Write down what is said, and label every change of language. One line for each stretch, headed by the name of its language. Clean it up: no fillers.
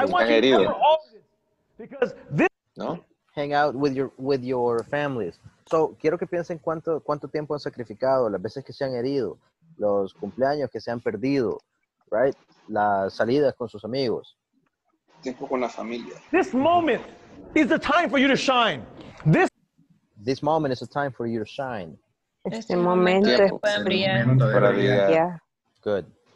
English: I want you to remember all of this because this. No. Hang out with your families.
Spanish: So quiero que piensen cuánto tiempo han sacrificado, las veces que se han herido, los cumpleaños que se han perdido. Right? Las salidas con sus amigos. Tiempo con la familia.
English: This moment is the time for you to shine. This moment is the time for you to shine.
Spanish: Este momento es para brillar.
English: Yeah. Good.